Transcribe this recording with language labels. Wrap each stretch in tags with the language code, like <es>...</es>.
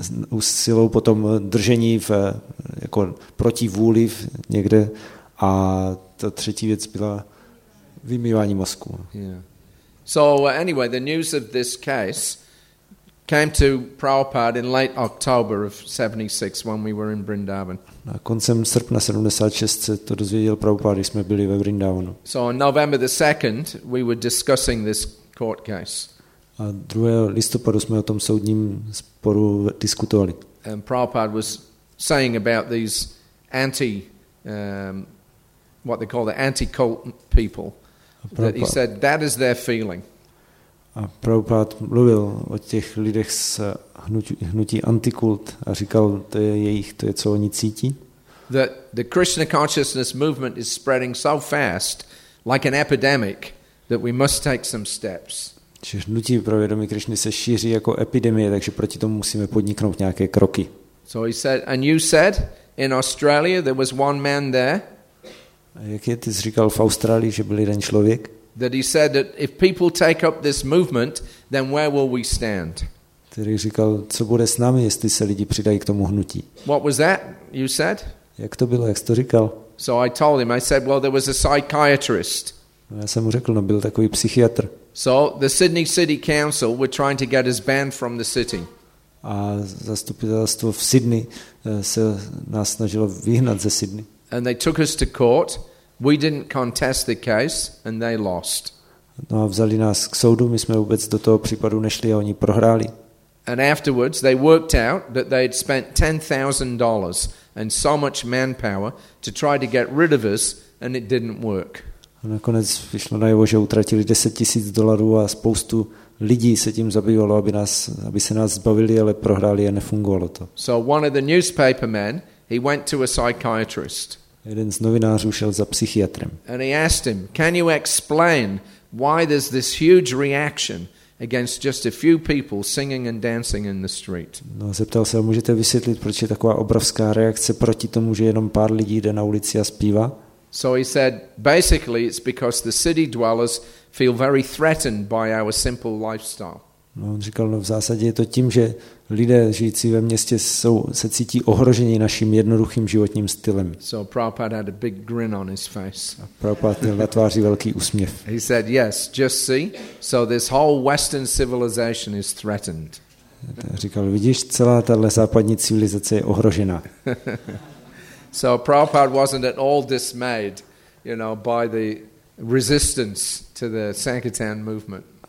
<cs>Usilou potom držení v jako proti vůli někde, a ta třetí věc byla vymývání mozku.</cs> <en>Yeah. So anyway, the news of this case came to Prabhupada in late October of 76 when we were in Vrindavan.</en> <cs>Na koncem srpna 76 se to dozvěděl Prabhupada, jsme byli ve Vrindavanu.</cs> <en>So on November the 2nd we were discussing this court case.</en> <cs>A 2. listopadu jsme o tom soudním sporu diskutovali.</cs> <en>And Prabhupada was saying about these anti what they call the anti-cult people. That he said that is their feeling.</en> <cs>A Prabhupada mluvil o těch lidech z hnutí antikult a říkal, to je co oni cítí.</cs> <en>That the Krishna consciousness movement is spreading so fast like an epidemic that we must take some steps.</en> <cs>Že hnutí pro vědomí Krišny se šíří jako epidemie, takže proti tomu musíme podniknout nějaké kroky.</cs> <en>So he said, and you said in Australia there was one man there.</en> <cs>A jak je, ty jsi říkal v Austrálii, že byl jeden člověk?</cs> <en>That he said that if people take up this movement, then where will we stand?</en> <cs>Který říkal, co bude s námi, jestli se lidi přidají k tomu hnutí?</cs> <en>What was that you said?</en> <cs>Jak to bylo, jak jsi to říkal?</cs> <en>So I told him, I said, well, there was a psychiatrist.</en> <cs>No, já jsem mu řekl, no, byl takový psychiatr.</cs> <en>So the Sydney City Council were trying to get us banned from the city.</en> <cs>A zastupitelstvo v Sydney se nás snažilo vyhnat ze Sydney.</cs> <en>And they took us to court. We didn't contest the case and they lost.</en> <cs>No, vzali nás k soudu, my jsme vůbec do toho případu nešli a oni prohráli.</cs> <en>And afterwards they worked out that they had spent $10,000 and so much manpower to try to get rid of us and it didn't work.</en> <cs>A nakonec vyšlo najevo, že utratili $10,000 a spoustu lidí se tím zabývalo, aby se nás zbavili, ale prohráli a nefungovalo to.</cs> <en>So one of the newspaper men, he went to a psychiatrist.</en> <cs>Jeden z novinářů šel za psychiatrem.</cs> <en>And he asked him, can you explain why there's this huge reaction against just a few people singing and dancing in the street?</en> <cs>No, zeptal se, můžete vysvětlit, proč je taková obrovská reakce proti tomu, že jenom pár lidí jde na ulici a zpívá?</cs> <en>So he said, basically, it's because the city dwellers feel very threatened by our simple lifestyle.</en> <cs>No, on říkal, no v zásadě je to tím, že lidé žijící ve městě jsou, se cítí ohroženi naším jednoduchým životním stylem.</cs> <en>So Prabhupada had a big grin on his face.</en> <cs>A Prabhupada měl na tváři velký úsměv.</cs> <en>He said, yes, just see, so this whole Western civilization is threatened.</en> <cs>Říkal, vidíš, celá tahle západní civilizace je ohrožena.</cs> <en>So Prabhupada wasn't at all dismayed, you know, by the resistance to the Sankirtan movement.</en>